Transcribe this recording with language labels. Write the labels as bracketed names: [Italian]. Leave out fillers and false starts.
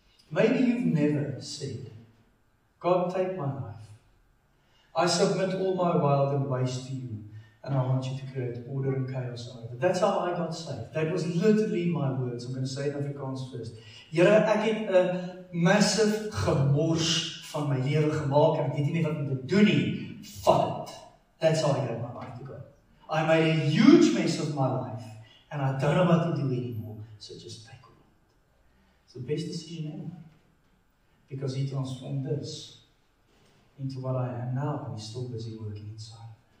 [English] Maybe you've never said, God, take my life. I submit all my wild and waste to You, and I want You to create order and chaos over it. That's how I got saved. That was literally my words. I'm going to say it in Afrikaans first. [Afrikaans] Here, ek het 'n massive gemors van my lewe gemaak, en ek weet nie wat om te doen nie. Vat it. [English] That's how I got my mind to go. I made a huge mess of my life, and I don't know what to do anymore, so just take it. It's the best decision ever. Because He transformed this into what I am now, and He's still busy working inside.